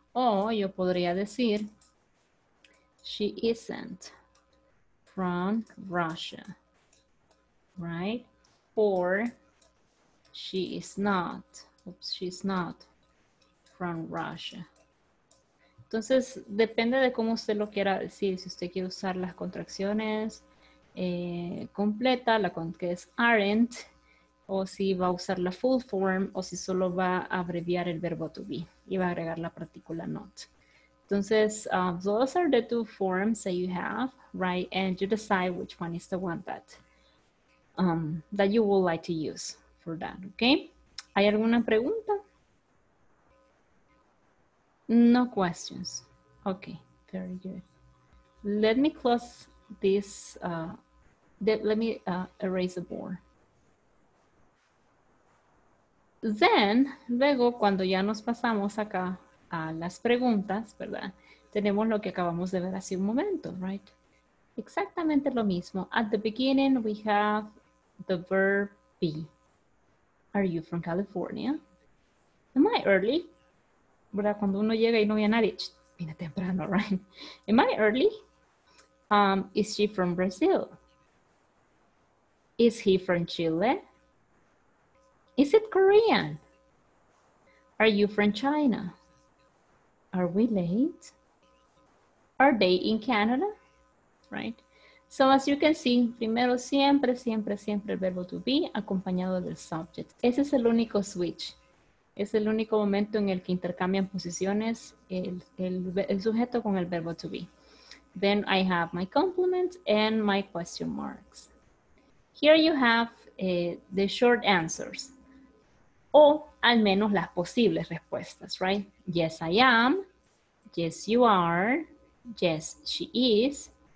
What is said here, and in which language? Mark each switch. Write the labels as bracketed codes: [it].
[es] O yo podría decir, [en] she isn't from Russia, right? Or, she is not, oops, she's not from Russia. [es] Entonces, depende de cómo usted lo quiera decir. Si usted quiere usar las contracciones completa, la que es aren't, o si va a usar la full form, o si solo va a abreviar el verbo to be. Y va a agregar la partícula not. [en] Entonces, those are the two forms that you have, right? And you decide which one is the one that that you would like to use for that, okay? [es] ¿Hay alguna pregunta? [en] No questions. Okay, very good. Let me close this. Let me erase the board. [es] Then, luego, cuando ya nos pasamos acá a las preguntas, ¿verdad? Tenemos lo que acabamos de ver hace un momento, right? Exactamente lo mismo. [en] At the beginning, we have the verb be. Are you from California? Am I early? [es] ¿Verdad? Cuando uno llega y no ve a nadie, viene temprano, right? [en] Am I early? Is she from Brazil? Is he from Chile? Is it Korean? Are you from China? Are we late? Are they in Canada? Right? So as you can see, [es] primero siempre, siempre, siempre el verbo to be acompañado del subject. Ese es el único switch. Es el único momento en el que intercambian posiciones el sujeto con el verbo to be. [en] Then I have my complement and my question marks. Here you have the short answers. [es] O al menos las posibles respuestas, [en] right? Yes, I am. Yes, you are. Yes, she is.